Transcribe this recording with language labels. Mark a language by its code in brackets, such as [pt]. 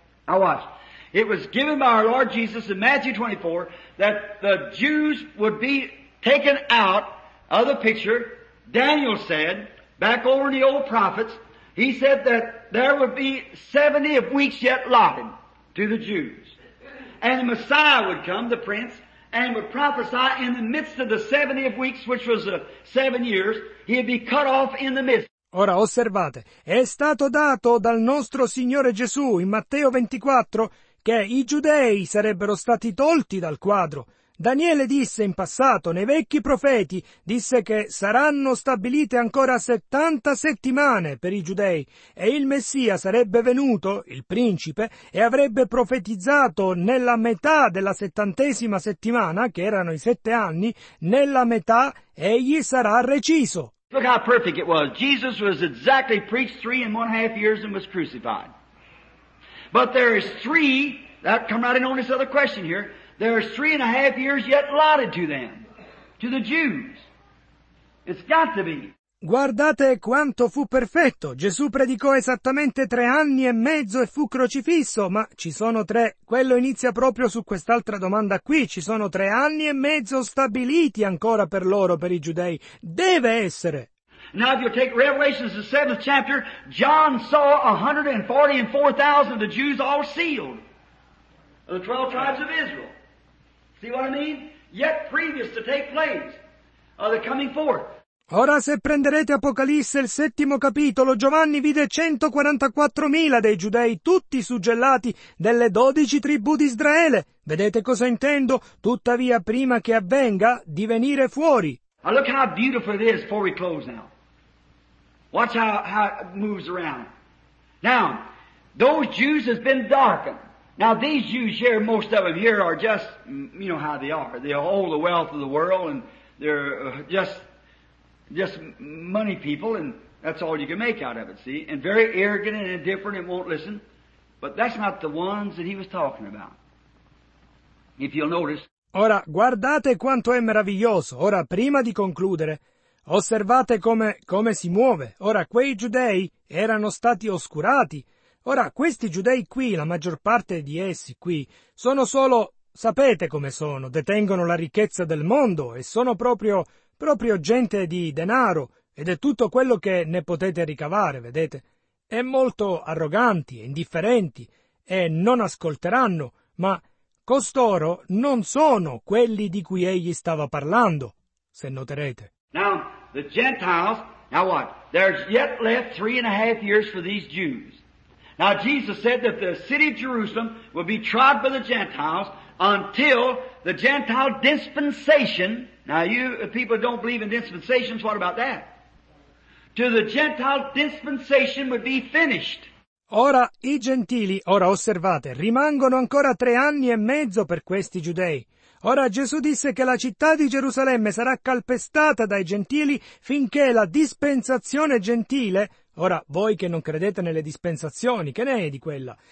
[en] Now watch, it was given by our Lord Jesus in Matthew 24 that the Jews would be taken out of the picture. Daniel said, back over in the old prophets, he said that there would be 70 of weeks yet allotted to the Jews. And the Messiah would come, the prince, and would prophesy in the midst of the 70 of weeks, which was 7 years, he'd be cut off in the midst. [it] Ora osservate, è stato dato dal nostro Signore Gesù in Matteo 24 che i giudei sarebbero stati tolti dal quadro. Daniele disse in passato, nei vecchi profeti, disse che saranno stabilite ancora 70 settimane per i giudei e il Messia sarebbe venuto, il principe, e avrebbe profetizzato nella metà della 70ª settimana, che erano i 7 anni, nella metà egli sarà reciso. [en] Look how perfect it was. Jesus was exactly preached 3.5 years and was crucified. But there is three, that come right in on this other question here, there's 3.5 years yet allotted to them, to the Jews. It's got to be. [it] Guardate quanto fu perfetto. Gesù predicò esattamente 3.5 anni e fu crocifisso, ma ci sono tre. Quello inizia proprio su quest'altra domanda qui. Ci sono 3.5 anni stabiliti ancora per loro, per i giudei. Deve essere. [en] Now if you take Revelation, the 7th chapter, John saw 144,000 of the Jews all sealed. The 12 tribes of Israel. See what I mean? Yet previous to take place of the coming forth. [it] Ora se prenderete Apocalisse il 7° capitolo, Giovanni vide 144.000 dei giudei tutti suggellati delle 12 tribù di Israele. Vedete cosa intendo? Tuttavia prima che avvenga di venire fuori. [en] Now look how beautiful it is before we close now. Watch how it moves around. Now, those Jews have been darkened. Now these Jews here, most of them here are just, you know how they are. They hold the wealth of the world and they're just money people and that's all you can make out of it, see? And very arrogant and indifferent and won't listen. But that's not the ones that he was talking about. If you'll notice. [it] Ora, guardate quanto è meraviglioso. Ora, prima di concludere, osservate come si muove. Ora, quei giudei erano stati oscurati. Ora, questi giudei qui, la maggior parte di essi qui, sono solo, sapete come sono, detengono la ricchezza del mondo e sono proprio gente di denaro ed è tutto quello che ne potete ricavare, vedete? È molto arroganti, indifferenti e non ascolteranno, ma costoro non sono quelli di cui egli stava parlando, se noterete. [en] Now, the Gentiles, now what? There's yet left 3.5 years for these Jews. Now Jesus said that the city of Jerusalem will be trod by the Gentiles until the Gentile dispensation, now you people don't believe in dispensations, what about that? Till the Gentile dispensation would be finished. [it] Ora i gentili, ora osservate, rimangono ancora 3.5 anni per questi giudei. Ora Gesù disse che la città di Gerusalemme sarà calpestata dai gentili finché la dispensazione gentile. Ora, voi che non credete nelle dispensazioni, che ne è di quella?